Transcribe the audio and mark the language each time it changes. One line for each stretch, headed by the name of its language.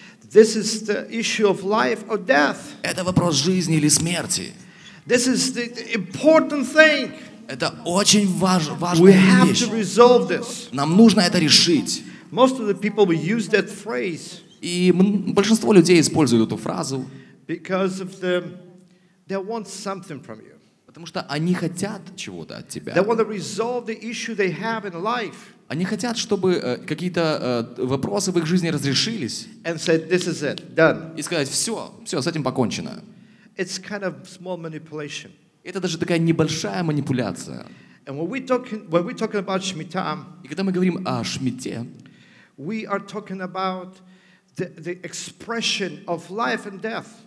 English: This is the issue of life or death.
Russian: Это вопрос жизни или смерти.
English: This is the important thing.
Russian: Это очень важная вещь.
English: We have to resolve this.
Russian: Нам нужно это решить.
English: Most of the people will use that phrase.
Russian: И большинство людей используют эту фразу.
English: Because of they want something from you.
Russian: Потому что они хотят чего-то от тебя.
English: They want to resolve the issue they have in life.
Russian: Они хотят, чтобы какие-то вопросы в их жизни разрешились.
English: And said, this is it. Done.
Russian: И сказать, все, все, с этим покончено.
English: It's kind of small manipulation.
Russian: Это даже такая небольшая манипуляция.
English: And when we're talking about Shemitah,
Russian: и когда мы говорим о Шмите,
English: we are talking about the expression of life and death.